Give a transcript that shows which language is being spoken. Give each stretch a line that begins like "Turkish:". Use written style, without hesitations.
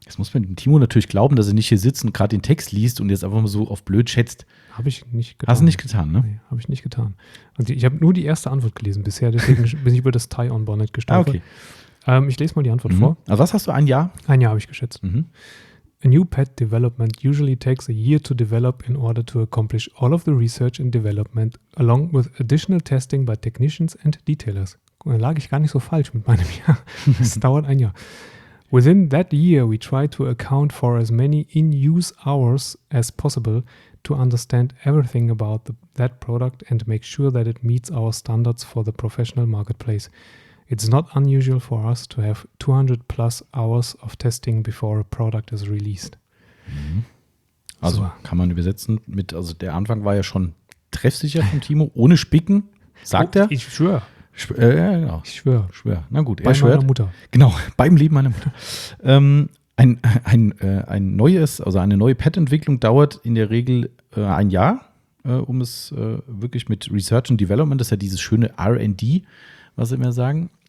German: Jetzt muss man dem Timo natürlich glauben, dass er nicht hier sitzt und gerade den Text liest und jetzt einfach mal so auf blöd schätzt. Habe ich nicht getan. Hast du nicht getan, ne? Nee, habe ich nicht getan. Also ich habe nur die erste Antwort gelesen bisher, deswegen bin ich über das Tie-on-Bonnet gestolpert. Okay. Ich lese mal die Antwort vor. Also was hast du, ein Jahr? Ein Jahr habe ich geschätzt. Mhm.
English: A new pad development usually takes a year to develop in order to accomplish all of the research and development along with additional testing by technicians and detailers.
German: Da lag ich gar nicht so falsch mit meinem Jahr. Es dauert ein Jahr.
English: Within that year, we try to account for as many in-use hours as possible to understand everything about that product and make sure that it meets our standards for the professional marketplace. It's not unusual for us to have 200 plus hours of testing before a product is released. Mhm.
German: Also kann man übersetzen mit, also der Anfang war ja schon treffsicher von Timo, ohne Spicken, sagt er. Ich schwöre. Ich schwöre. Na gut, bei meiner Mutter. Genau, beim Leben meiner Mutter. Ein neues, also eine neue Pad-Entwicklung dauert in der Regel ein Jahr, um es wirklich mit Research and Development, das ist ja dieses schöne R&D, was sie immer sagen.